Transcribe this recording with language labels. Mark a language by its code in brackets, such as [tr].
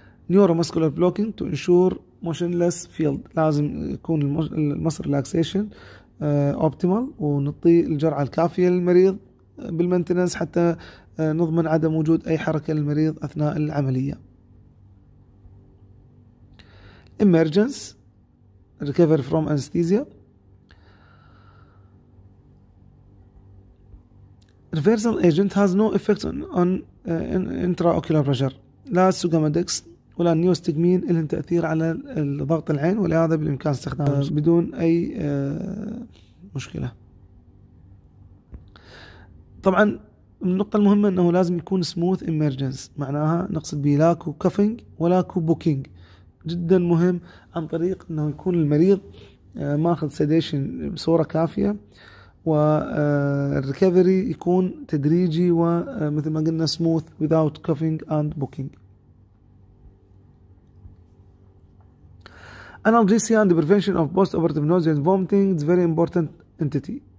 [en] neuro muscular blocking to ensure motionless field, [ar] لازم يكون المصر ريلاكسيشن اوبتيمال ونطي الجرعه الكافيه للمريض بالمنتنس حتى نضمن عدم وجود اي حركه للمريض اثناء العمليه. [en] Emergence recover from anaesthesia. Reversal agent has no effect on intraocular pressure. [ar] لا سوغامادكس ولا نيوستيجمين لهم تأثير على ضغط العين، ولهذا بالإمكان استخدامه بدون أي مشكلة. طبعا النقطة المهمة أنه لازم يكون smooth emergence، معناها نقصد به لا كوكفينج ولا كوبوكينج، جدا مهم عن طريق أنه يكون المريض ماخذ سيديشن بصورة كافية، والريكفري يكون تدريجي ومثل ما قلنا سموث [en] without coughing and booking. Analgesia and the prevention of post-operative nausea and vomiting is very important entity.